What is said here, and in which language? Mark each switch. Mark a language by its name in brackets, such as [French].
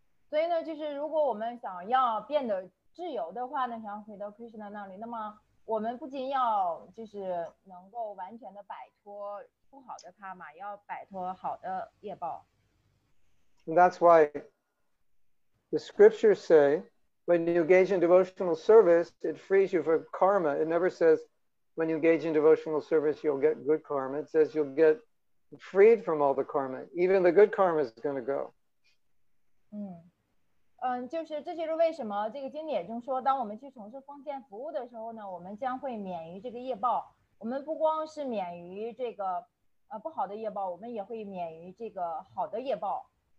[Chinese] 所以呢，就是如果我们想要变得自由的话呢，想回到 Krishna 那里，那么我们不仅要就是能够完全的摆脱不好的 karma， 要摆脱好的业报。 [English] And that's why. The scriptures say, when you engage in devotional service, it frees you from karma. It never says, when you engage in devotional service, you'll get good karma. It says you'll get freed from all the karma. Even the good karma is going to go. [Chinese] 就是这就是为什么这个经典中说，当我们去从事奉献服务的时候呢，我们将会免于这个业报。我们不光是免于这个不好的业报，我们也会免于这个好的业报。